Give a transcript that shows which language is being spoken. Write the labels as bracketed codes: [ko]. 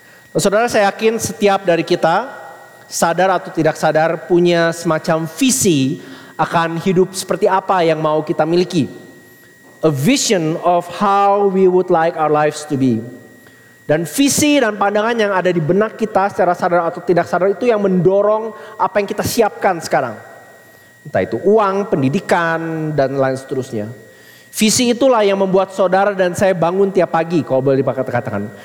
[id] Nah, saudara, saya yakin setiap dari kita, sadar atau tidak sadar, punya semacam visi akan hidup seperti apa yang mau kita miliki. [en] A vision of how we would like our lives to be. [id] Dan visi dan pandangan yang ada di benak kita secara sadar atau tidak sadar itu yang mendorong apa yang kita siapkan sekarang. Entah itu uang, pendidikan, dan lain seterusnya. Visi itulah yang membuat saudara dan saya bangun tiap pagi, kalau boleh dikatakan.